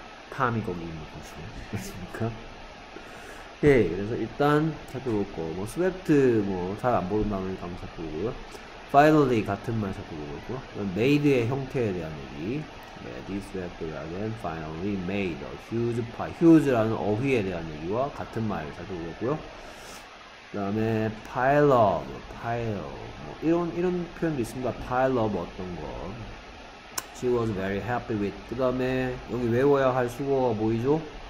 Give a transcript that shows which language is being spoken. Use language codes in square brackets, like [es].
[ko] 탐이 거기 있는 곳이 맞습니까? 예, 그래서 일단 살펴볼거 뭐 swept 뭐 잘 안 보는 단어를 한번 살펴보고요. finally 같은 말 살펴보고요. made의 형태에 대한 얘기. [en] Betty swept the yard and finally made a huge pile. [ko] huge라는 어휘에 대한 얘기와 같은 말 살펴보겠고요. 그 다음에 [en] pile of, pile. [ko] 뭐 이런 표현도 있습니다. [en] pile of [ko] 어떤 거. [en] She was very happy with. [ko] 그 다음에 여기 외워야 할 수거가 보이죠?